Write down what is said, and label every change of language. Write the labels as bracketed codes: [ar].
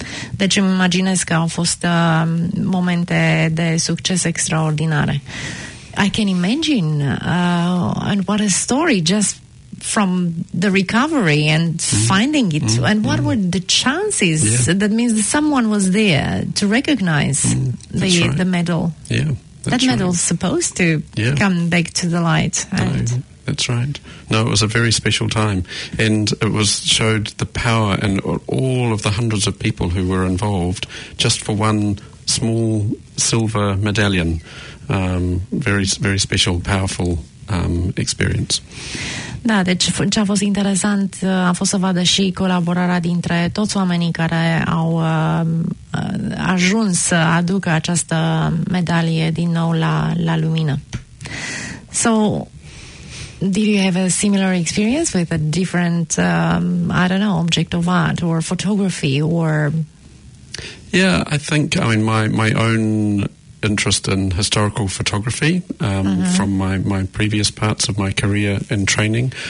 [ro] Deci îmi imaginez că au fost momente de succes extraordinare. [en] I can imagine and what a story just from the recovery and finding it and what were the chances that means someone was there to recognize the medal. Yeah. That medal's supposed to come back to the light. And that's right. No, it was a very special time, and it was showed the power and all of the hundreds of people who were involved just for one small silver medallion. Very, very special, powerful experience. [ro] Da, deci ce a fost interesant a fost să vadă și colaborarea dintre toți oamenii care au ajuns să aducă această medalie din nou la lumină. [en] So, did you have a similar experience with a different, I don't know, object of art or photography or... Yeah, I think, I mean, my own interest in historical photography from my previous parts of my career and training.